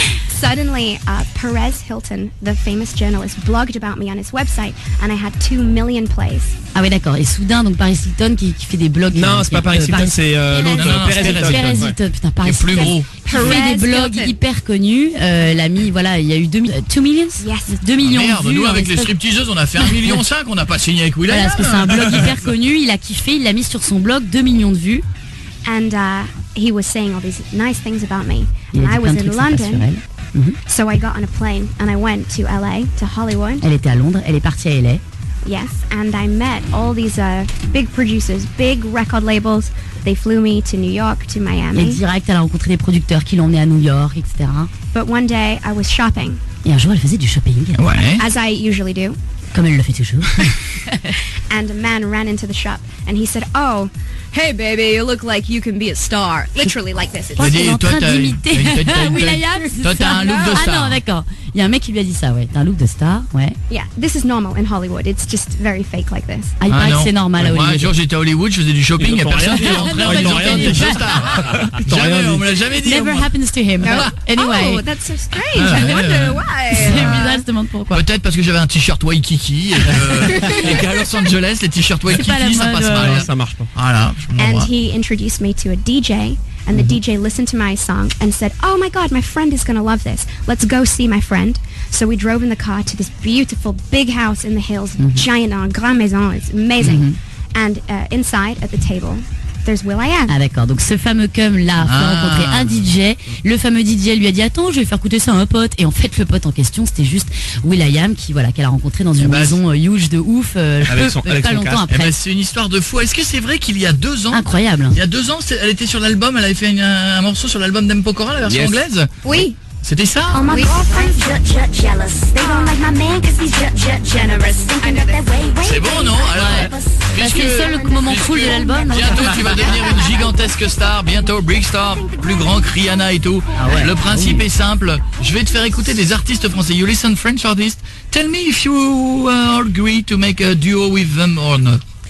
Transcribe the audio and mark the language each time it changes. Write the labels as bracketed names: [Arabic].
[English] Suddenly, Perez Hilton, the famous journalist, blogged about me on his website and I had 2 million plays. [French] Ah oui, d'accord. Et soudain, donc Paris Hilton qui fait des blogs. Non, c'est pas Paris Hilton, c'est l'autre. Perez Hilton, putain, Paris Hilton. Et plus gros. Qui fait des blogs hyper connus. L'ami, voilà, il y a eu 2 millions. [English] Yes. [French] 2 millions. Merde, nous, avec les stripteaseuses, on a fait 1,5 million. On n'a pas signé avec Will.i.am. Parce que c'est un blog hyper connu. Il a kiffé, il l'a mis sur son blog, 2 millions de vues. [English] And he was saying all these nice things about me. And I was in London. Mm-hmm. So I got on a plane and I went to LA, to Hollywood. [French] Elle était à Londres, elle est partie à LA. [English] Yes, and I met all these big producers, big record labels. They flew me to New York, to Miami. [French] Et direct, elle a rencontré des producteurs qui l'ont emmené à New York, etc. [English] But one day, I was shopping. [French] Et un jour, elle faisait du shopping. Ouais. [English] As I usually do. [French] Comme elle le fait toujours. [English] And a man ran into the shop and he said, oh, hey baby, you look like you can be a star. Literally like this. [French] Il est en train d'imiter Will.i.am. Toi, t'as un look de star. Ah non, d'accord. Il y a un mec qui lui a dit ça, ouais. T'as un look de star, ouais. [English] Yeah, this is normal in Hollywood. It's just very fake like this. [French] Ah, il paraît que c'est normal à Hollywood. Moi, un jour, j'étais à Hollywood, je faisais du shopping, il n'y a personne qui est rentré en disant rien, t'es juste star. Jamais, on me l'a jamais dit. [English] Never happens to him. Anyway. Oh, that's so strange. I wonder why. [French] C'est bizarre, je demande pourquoi. Peut-être parce que j'avais un t-shirt Waikiki. Et qu'à Los Angeles, les t-shirts Waikiki, ça passe mal. Ça marche pas. Voilà. [English] And he introduced me to a DJ. And the DJ listened to my song and said, oh my god, my friend is gonna love this. Let's go see my friend. So we drove in the car to this beautiful big house in the hills, giant, [French] grand maison, [English] it's amazing. Mm-hmm. And inside at the table, there's Will.i.am. [French] Ah d'accord, donc ce fameux cum là a rencontré un DJ. Le fameux DJ lui a dit, attends, je vais faire écouter ça à un pote. Et en fait, le pote en question, c'était juste Will.i.am qui, voilà, qu'elle a rencontré dans une maison huge de ouf, pas longtemps après. Et ben, c'est une histoire de fou. Est-ce que c'est vrai qu'il y a 2 ans, incroyable, il y a 2 ans, elle était sur l'album, elle avait fait un morceau sur l'album d'Empokora, la version anglaise? Oui. C'était ça? [English] All my girlfriends jealous. They don't like my man cause he's generous. [French] C'est bon, non? Alors, ouais. C'est le seul moment cool de l'album. Bientôt, tu vas devenir une gigantesque star. Bientôt, Big Star, plus grand que Rihanna et tout. Ah ouais. Le principe est simple. Je vais te faire écouter des artistes français. [English] You listen French artists. Tell me if you agree to make a duo with them or not.